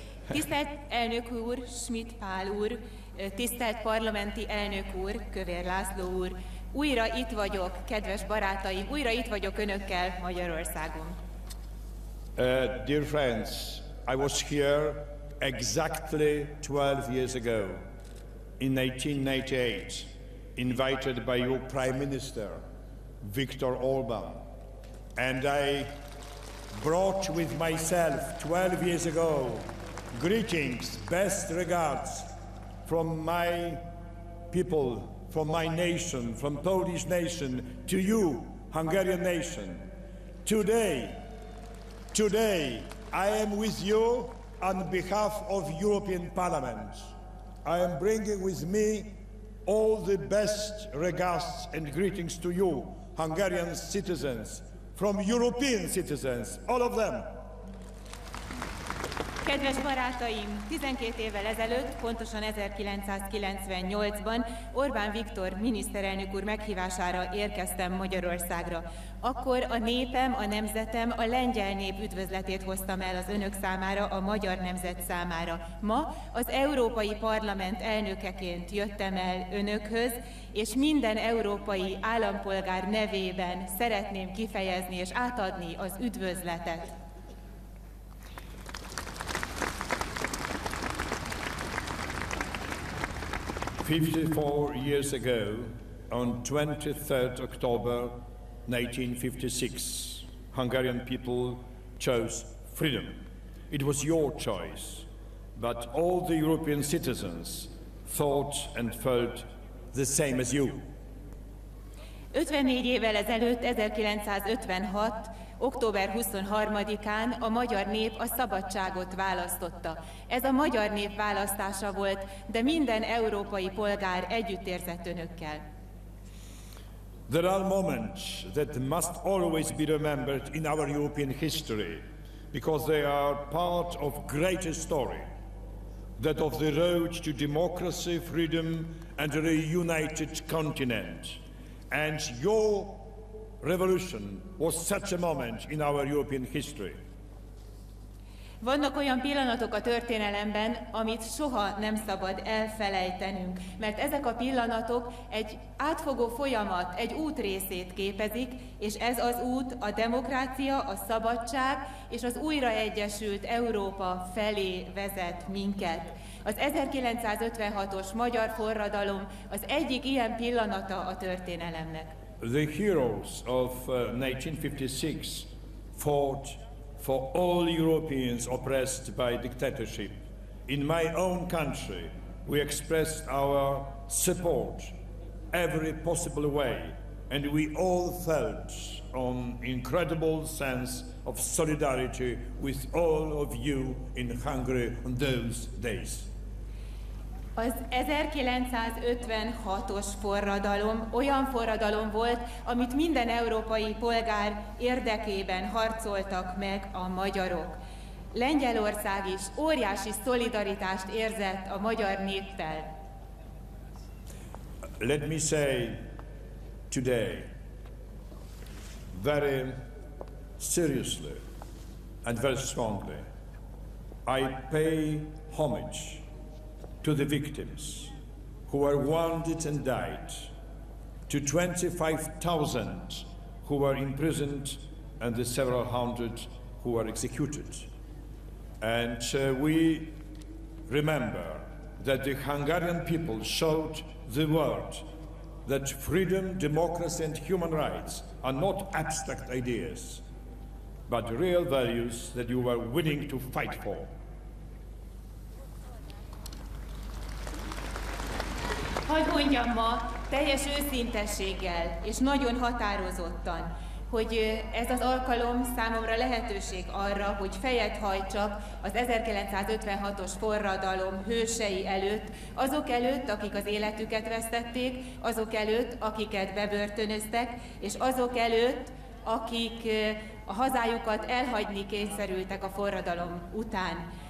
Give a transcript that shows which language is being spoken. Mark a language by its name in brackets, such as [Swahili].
[Hungarian] Tisztelt Elnök úr, Schmidt Paul úr, tisztelt parlamenti elnök úr, Kövér László úr, újra itt vagyok, kedves barátaim, újra itt vagyok önökkel Magyarországon. [English] Dear friends, I was here exactly 12 years ago, in 1998, invited by your Prime Minister, Viktor Orbán, and I brought with myself 12 years ago greetings, best regards, from my people, from my nation, from Polish nation, to you, Hungarian nation. Today, I am with you on behalf of European Parliament. I am bringing with me all the best regards and greetings to you, Hungarian citizens, from European citizens, all of them. [Hungarian] Kedves barátaim, 12 évvel ezelőtt, pontosan 1998-ban Orbán Viktor miniszterelnök úr meghívására érkeztem Magyarországra. Akkor a népem, a nemzetem, a lengyel nép üdvözletét hoztam el az önök számára, a magyar nemzet számára. Ma az Európai Parlament elnökeként jöttem el önökhöz, és minden európai állampolgár nevében szeretném kifejezni és átadni az üdvözletet. [English] Fifty-four years ago, on 23rd October 1956, Hungarian people chose freedom. It was your choice, but all the European citizens thought and felt the same as you. [Hungarian] 54 évvel ezelőtt, 1956, október 23-án a magyar nép a szabadságot választotta. Ez a magyar nép választása volt, de minden európai polgár együttérzett önökkel. [English] There are moments that must always be remembered in our European history, because they are part of a greater story, that of the road to democracy, freedom and a reunited continent. And your revolution was such a moment in our European history. [Hungarian] Vannak olyan pillanatok a történelemben, amit soha nem szabad elfelejtenünk, mert ezek a pillanatok egy átfogó folyamat, egy út részét képezik, és ez az út a demokrácia, a szabadság és az újraegyesült Európa felé vezet minket. Az 1956-os magyar forradalom az egyik ilyen pillanata a történelemnek. [English] The heroes of 1956 fought for all Europeans oppressed by dictatorship. In my own country, we expressed our support every possible way and we all felt an incredible sense of solidarity with all of you in Hungary on those days. [Hungarian] Az 1956-os forradalom olyan forradalom volt, amit minden európai polgár érdekében harcoltak meg a magyarok. Lengyelország is óriási szolidaritást érzett a magyar néppel. [English] Let me say today, very seriously and very strongly, I pay homage to the victims who were wounded and died, to 25,000 who were imprisoned and the several hundred who were executed. And we remember that the Hungarian people showed the world that freedom, democracy and human rights are not abstract ideas, but real values that you were willing to fight for. [Hungarian] Hogy mondjam ma teljes őszintességgel és nagyon határozottan, hogy ez az alkalom számomra lehetőség arra, hogy fejet hajtsak az 1956-os forradalom hősei előtt, azok előtt, akik az életüket vesztették, azok előtt, akiket bebörtönöztek, és azok előtt, akik a hazájukat elhagyni kényszerültek a forradalom után.